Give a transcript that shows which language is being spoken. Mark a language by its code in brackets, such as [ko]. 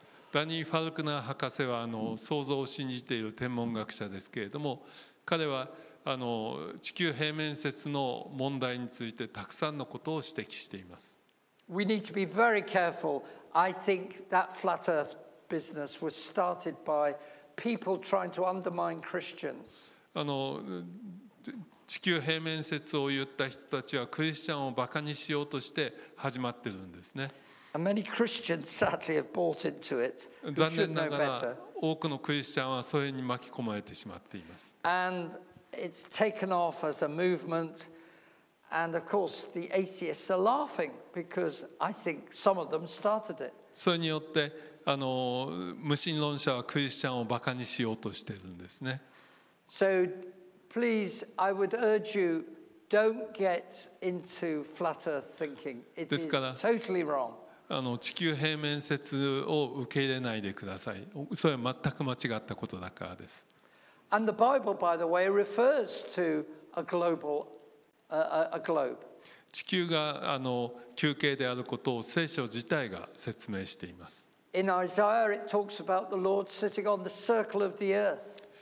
[ja] ダニー・ファルクナー博士はあの創造を信じている天文学者ですけれども、彼はあの地球平面説の問題についてたくさんのことを指摘しています。 [en] We need to be very careful. I think that flat earthBusiness was started by people trying to undermine Christians. [ja] あの地球平面説を言った人たちはクリスチャンをバカにしようとして始まってるんですね。 [en] And many Christians sadly have bought into it. [ja] 残念ながら多くのクリスチャンはそれに巻き込まれてしまっています。 [en] And it's taken off as a movement, And of course, the atheists are laughing because I think some of them started it. [ja] それによって、無神論者はクリスチャンをバカにしようとしているんですね。 [en] So, please, I would urge you, don't get into flat earth thinking. It is totally wrong. [ja] あの地球平面説を受け入れないでください。それは全く間違ったことだからです。 [en] And the Bible, by the way, refers to a global globe. [ja] 地球があの球形であることを聖書自体が説明しています。 [en] In Isaiah, it talks about the Lord sitting on the circle of the earth.